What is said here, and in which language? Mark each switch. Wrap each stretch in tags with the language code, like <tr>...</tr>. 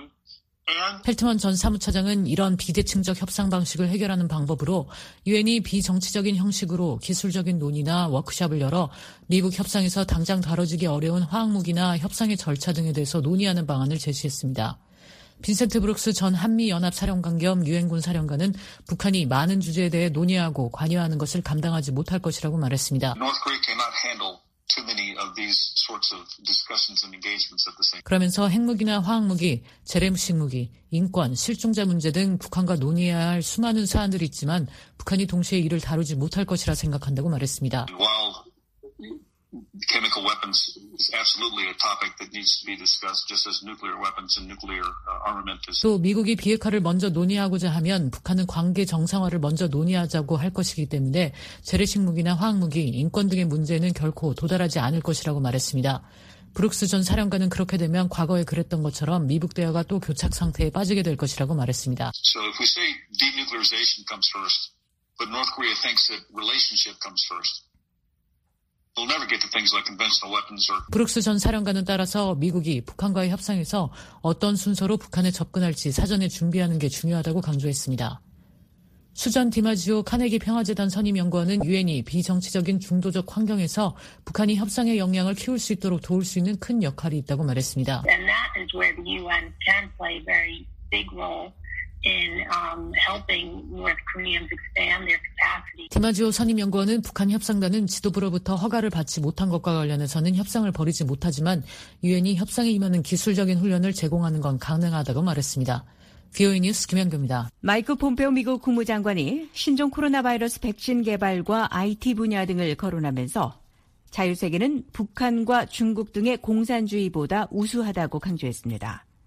<en>Has been doing.</en> <ko>펠트먼 전 사무차장은 이런 비대칭적 협상 방식을 해결하는 방법으로 유엔이 비정치적인 형식으로 기술적인 논의나 워크숍을 열어 미국 협상에서 당장 다뤄지기 어려운 화학무기나 협상의 절차 등에 대해서 논의하는 방안을 제시했습니다. 빈센트 브룩스 전 한미연합사령관 겸 유엔군 사령관은 북한이 많은 주제에 대해 논의하고 관여하는 것을 감당하지 못할 것이라고 말했습니다.</ko> <en>North Korea cannot handle too many of these sorts of discussions and engagements at the same time.</en> <ko>그러면서 핵무기나 화학무기, 재래식 무기, 인권, 실종자 문제 등 북한과 논의해야 할 수많은 사안들이 있지만 북한이 동시에 이를 다루지 못할 것이라 생각한다고 말했습니다.</ko> <en>Chemical weapons is absolutely a topic that needs to be discussed just as nuclear weapons and nuclear armament is.</en> <ko>또 미국이 비핵화를 먼저 논의하고자 하면 북한은 관계 정상화를 먼저 논의하자고 할 것이기 때문에 재래식 무기나 화학 무기, 인권 등의 문제는 결코 도달하지 않을 것이라고 말했습니다. 브룩스 전 사령관은 그렇게 되면 과거에 그랬던 것처럼 미북 대화가 또 교착 상태에 빠지게 될 것이라고 말했습니다.</ko> <en>So if we say denuclearization comes first, but North Korea thinks that relationship comes first. We'll never get to things like conventional weapons or...</en> <ko>브룩스 전 사령관은 따라서 미국이 북한과의 협상에서 어떤 순서로 북한에 접근할지 사전에 준비하는 게 중요하다고 강조했습니다. 수잔 디마지오 카네기 평화재단 선임연구원은 유엔이 비정치적인 중도적 환경에서 북한이 협상의 역량을 키울 수 있도록 도울 수 있는 큰 역할이 있다고 말했습니다.</ko> <en>And that is where the UN can play a very big role. In helping North Koreans expand their capacity.</en> <ko>디마지오 선임연구원은 북한 협상단은 지도부로부터 허가를 받지 못한 것과 관련해서는 협상을 벌이지 못하지만 유엔이 협상에 임하는 기술적인 훈련을 제공하는 건 가능하다고 말했습니다. VOA 뉴스 김현규입니다. 마이크 폼페오 미국 국무장관이 신종 코로나 바이러스 백신 개발과 IT 분야 등을 거론하면서 자유세계는 북한과 중국 등의 공산주의보다 우수하다고 강조했습니다.</ko>